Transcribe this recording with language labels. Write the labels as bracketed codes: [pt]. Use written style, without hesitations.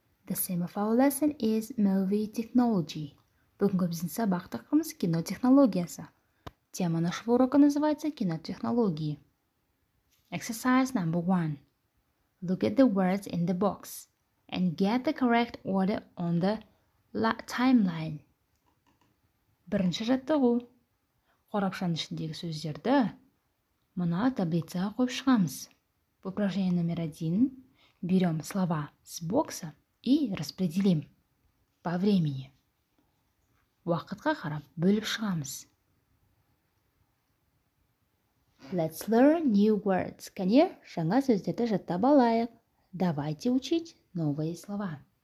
[en] The theme of our lesson is movie technology. [kk] Бүгінгі біздің сабақ тақырыбымыз кинотехнологиясы. [ru] Тема нашего урока называется кинотехнологии. [en] Exercise number one. Look at the words in the box and get the correct order on the timeline. [kk] Бірінші жаттығу. Қорапшаның ішіндегі сөздерді мына таблицаға қойып шығамыз. [ru] В упражнении номер один берем слова с бокса и распределим по времени. [kk] Уақытқа қарап бөліп шығамыз. [en] Let's learn new words. [kk] Кәне, жаңа сөздерді жаттап алайық. [ru] Давайте учить новые слова.